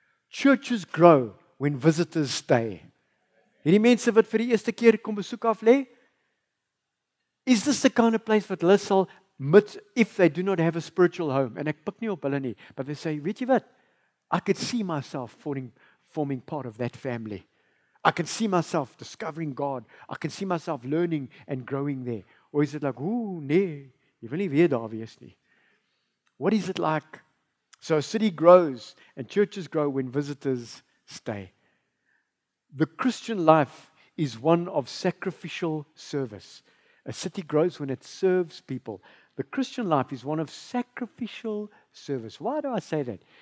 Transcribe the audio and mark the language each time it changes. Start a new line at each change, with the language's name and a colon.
English: Churches grow when visitors stay.
Afrikaans: Hierdie mense wat vir die eerste keer kom besoek af lê,
English: is this the kind of place that Lissel, if they do not have a spiritual home, and
Afrikaans: ek pik nie op hulle nie,
English: but they say,
Afrikaans: weet jy wat,
English: I could see myself forming part of that family. I can see myself discovering God. I can see myself learning and growing there. Or is it like,
Afrikaans: ooh, nee, jy wil nie weer daar wees nie.
English: What is it like? So a city grows and churches grow when visitors stay. The Christian life is one of sacrificial service. A city grows when it serves people. The Christian life is one of sacrificial service. Why do I say that?